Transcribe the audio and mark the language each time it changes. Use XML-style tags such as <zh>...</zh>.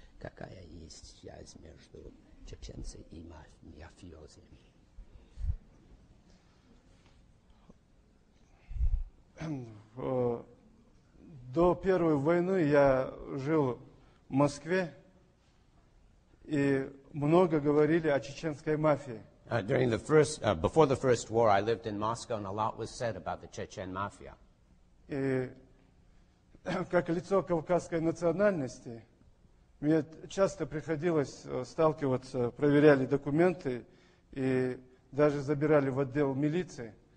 <ru>Какая есть связь между чеченцами и мафиозами? До Первой войны я жил в Москве. И много говорили о чеченской мафии.</ru> <en>During the first, before the first war, I lived in Moscow, and a lot was said about the Chechen mafia.</en> <ru>И как лицо кавказской национальности, мне часто приходилось сталкиваться, проверяли документы и даже забирали в отдел милиции.</ru>